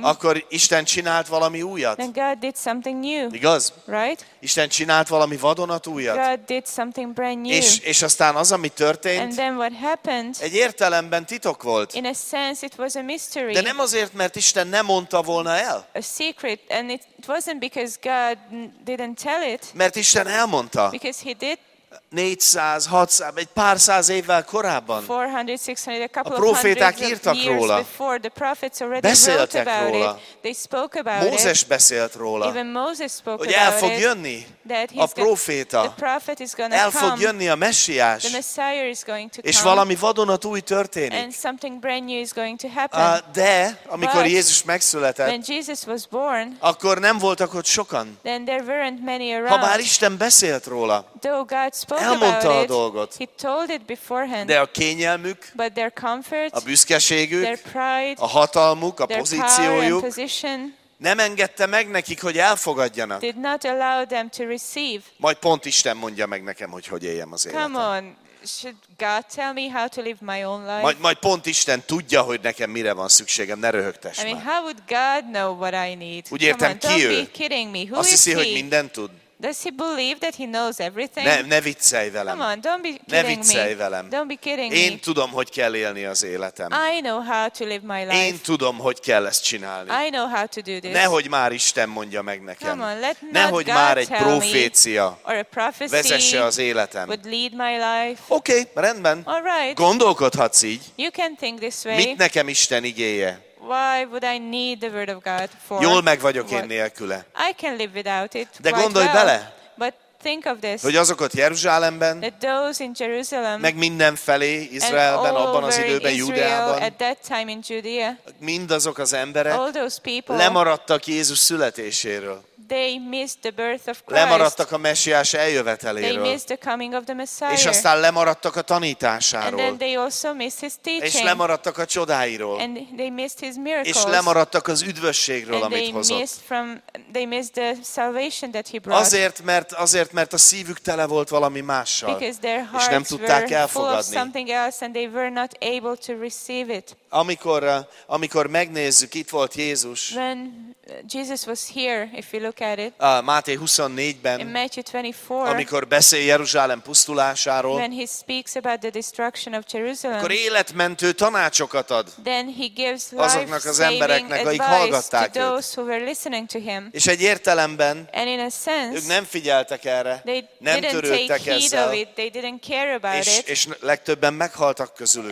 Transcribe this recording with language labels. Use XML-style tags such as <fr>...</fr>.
<hu>akkor Isten csinált valami újat.</hu> <en>Then God did something new.</en> <hu>Igaz?</hu> <en>Right?</en> <hu>Isten csinált valami vadonatújat.</hu> <en>God did something brand new.</en> <hu>És aztán az, ami történt,</hu> <en>and then what happened,</en> <hu>egy értelemben titok volt.</hu> <en>In a sense, it was a mystery.</en> <hu>De nem azért, mert Isten nem mondta volna el.</hu> <en>A secret, and it wasn't because God didn't tell it.</en> <hu>Mert Isten elmondta.</hu> <en>Because he did.</en> <hu>400, 600, egy pár száz évvel korábban.</hu> <en>400, 600, a couple</en> <hu>a proféták írtak róla.</hu> <en>Before, the prophets already</en> <hu>beszéltek</hu> <en>wrote about</en> <hu>róla.</hu> <en>It. They spoke about</en> <hu>Mózes</hu> <en>it.</en> <hu>Beszélt róla.</hu> <en>Even Moses spoke</en> <hu>hogy</hu> <en>about</en> <hu>el fog</hu> <en>it.</en> <hu>Jönni a proféta.</hu> <en>The prophet is gonna</en> <hu>el</hu> <en>come.</en> <hu>Fog jönni a messiás.</hu> <en>The Messiah is going to</en> <hu>és</hu> <en>come.</en> <hu>Valami vadonatúj történik.</hu> <en>And something brand new is going to happen.</en> <hu>De, amikor</hu> <en>But</en> <hu>Jézus megszületett,</hu> <en>when Jesus was born,</en> <hu>akkor nem voltak ott sokan.</hu> <en>Then there weren't many around.</en> <hu>Habár Isten beszélt róla.</hu> <en>Though God spoke</en> <hu>elmondta</hu> <en>about</en> <hu>a dolgot.</hu> <en>It, he told it beforehand.</en> <hu>De a kényelmük,</hu> <en>but their comfort,</en> <hu>a büszkeségük,</hu> <en>their pride,</en> <hu>a hatalmuk, a</hu> <en>their</en> <hu>pozíciójuk</hu> <en>power and position,</en> <hu>nem engedte meg nekik, hogy elfogadjanak.</hu> <en>Did not allow them to receive.</en> <hu>Majd pont Isten mondja meg nekem, hogy hogy éljem az életem.</hu> <en>Come on. Should God tell me how to live my own life?</en> <hu>Majd pont Isten tudja, hogy nekem mire van szükségem, ne röhögtess már.</hu> <en>I mean, how would God know what I need?</en> <hu>Úgy értem, ki ő?</hu> <en>Don't be kidding me. Who</en> <hu>azt hiszi, hogy mindent tud?</hu> <en>Does he believe that he knows everything?</en> <hu>Ne viccelj velem.</hu> <en>Come on, don't be kidding</en> <hu>ne viccelj velem.</hu> <en>Me. Don't be kidding</en> <hu>én</hu> <en>me.</en> <hu>Tudom, hogy kell élni az életem.</hu> <en>I know how to live my life.</en> <hu>Én tudom, hogy kell ezt csinálni.</hu> <en>I know how to do this.</en> <hu>Nehogy már Isten mondja meg nekem.</hu> <en>Come on, let not</en> <hu>nehogy</hu> <en>God</en> <hu>már egy profécia</hu> <en>me, or a prophecy</en> <hu>vezesse az életem.</hu> <en>Would lead my life.</en> <hu>Okay, rendben.</hu> <en>All right.</en> <hu>Gondolkodhatsz így.</hu> <en>You can think this way.</en> <hu>Mit nekem Isten igéje?</hu> <en>Why would I need the word of God for?</en> <hu>Jól meg vagyok én nélküle.</hu> <en>I can live without it.</en> <hu>De gondolj bele.</hu> <en>But think of this.</en> <hu>Hogy azokat Jeruzsálemben,</hu> <en>that those in Jerusalem,</en> <hu>meg mindenfelé Izraelben, abban az időben Júdeában,</hu> <en>at that time in Judea,</en> <hu>mindazok az emberek,</hu> <en>all those people,</en> <hu>lemaradtak Jézus születéséről.</hu> <en>They missed the birth of Christ.</en> <hu>Lemaradtak a messiás eljöveteléről.</hu> <en>They missed the coming of the Messiah.</en> <hu>És aztán lemaradtak a tanításáról.</hu> <en>And then they also missed his teaching.</en> <hu>És lemaradtak a csodáiról.</hu> <en>And they missed his miracles.</en> <hu>És lemaradtak az üdvösségről,</hu> <en>and</en> <hu>amit</hu> <en>they</en> <hu>hozott.</hu> <en>Missed from, they missed the salvation that he brought.</en> <hu>Azért, mert a szívük tele volt valami mással.</hu> <en>Because their hearts</en> <hu>és nem tudták elfogadni.</hu> <en>Full of something else and they were not able to receive it.</en> <hu>Amikor megnézzük, itt volt Jézus.</hu> <en>When Jesus was here, if you look at it.</en> <hu>Máté 24-ben.</hu> <en>In Matthew 24.</en> <hu>Amikor beszél Jeruzsálem pusztulásáról.</hu> <en>When he speaks about the destruction of Jerusalem.</en> <hu>Akkor életmentő tanácsokat ad.</hu> <en>Then he gives</en> <hu>azoknak az embereknek, akik hallgatták</hu> <en>to those who were listening to him.</en> <hu>És egy értelemben.</hu> <en>And in a sense.</en> <hu>Ők nem figyeltek erre.</hu> <en>They</en> <hu>nem</hu> <en>didn't</en> <hu>törődtek</hu> <en>take heed</en> <hu>ezzel,</hu> <en>of it. They didn't care about</en> <hu>és,</hu> <en>it.</en> <hu>És legtöbben meghaltak közülük.</hu>